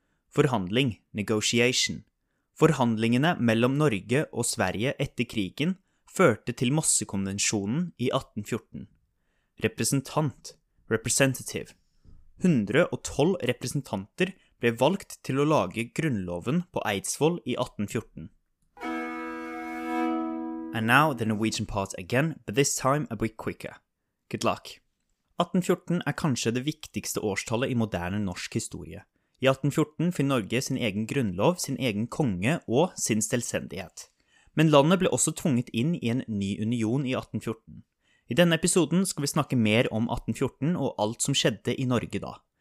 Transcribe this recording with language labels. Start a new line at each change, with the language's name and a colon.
Norwegian: Forhandling, negotiation. Forhandlingene mellom Norge og Sverige etter krigen førte til massekonvensjonen I 1814. Representant, representative. 112 representanter ble valgt til å lage grunnloven på Eidsvoll I 1814.
English: And now the Norwegian part again, but this time a bit quicker. Good luck.
Norwegian: 1814 kanskje det viktigste årstallet I moderne norsk historie. I 1814 fikk Norge sin egen grunnlov, sin egen konge og sin selvstendighet. Men landet ble også tvunget inn I en ny union I 1814. I denne episoden skal vi snakke mer om 1814 og alt som skjedde I Norge da.